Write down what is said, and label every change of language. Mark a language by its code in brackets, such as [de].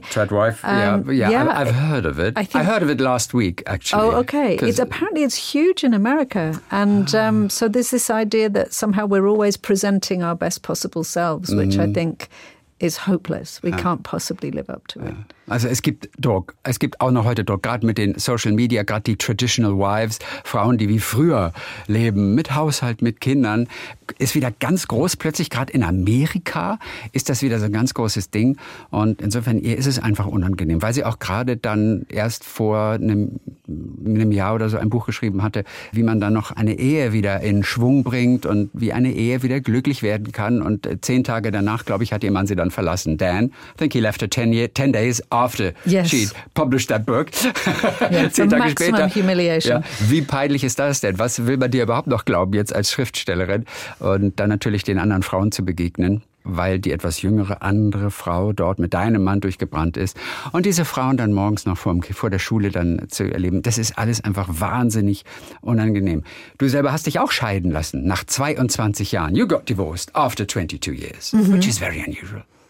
[en] Tradwife, I've heard of it. I heard of it last week, actually. Oh, okay. Apparently it's huge in America. And so there's this idea that somehow we're always presenting our best possible selves, which I think is hopeless. We can't possibly live up to it. [de] Also es gibt Druck. Es gibt auch noch heute Druck, gerade mit den Social Media, gerade die Traditional Wives, Frauen, die wie früher leben, mit Haushalt, mit Kindern, ist wieder ganz groß. Plötzlich gerade in Amerika ist das wieder so ein ganz großes Ding. Und insofern, ihr ist es einfach unangenehm, weil sie auch gerade dann erst vor einem Jahr oder so ein Buch geschrieben hatte, wie man dann noch eine Ehe wieder in Schwung bringt und wie eine Ehe wieder glücklich werden kann. Und 10 Tage danach, glaube ich, hat ihr Mann sie dann verlassen. [en] Dan, I think he left her 10 days after she published that book. [de] Yeah, 10 Tage später. Humiliation. Ja. Wie peinlich ist das denn? Was will man dir überhaupt noch glauben jetzt als Schriftstellerin? Und dann natürlich den anderen Frauen zu begegnen, weil die etwas jüngere andere Frau dort mit deinem Mann durchgebrannt ist. Und diese Frauen dann morgens noch vor der Schule dann zu erleben, das ist alles einfach wahnsinnig unangenehm. Du selber hast dich auch scheiden lassen nach 22 Jahren. [en] You got divorced after 22 years, which is very unusual.